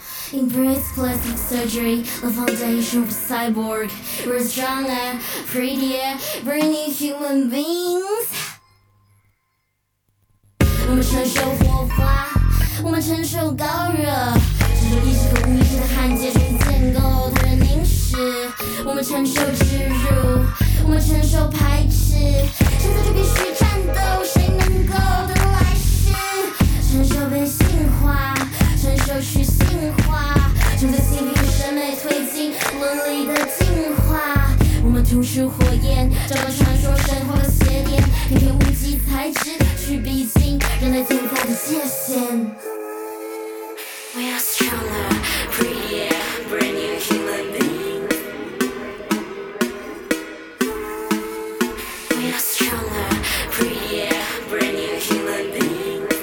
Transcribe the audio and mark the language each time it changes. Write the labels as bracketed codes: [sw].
[en] taking breath, plastic surgery, the foundation of a cyborg. We're stronger, prettier, brand new human beings. [zh] 我们承受火花，我们承受高热，这种意识和无意识的焊接逐渐构成凝实。我们承受耻辱，我们承受排斥，承受就必须战斗，谁能够得来世？承受被性化，承受去性化，承受性别审美推进伦理的进化。我们吐出火焰，找到传说神话的邪念，偏偏无极才知去逼近人类存在的界限。 [en] We are stronger, prettier, brand new human being. We are stronger, prettier, brand new human being.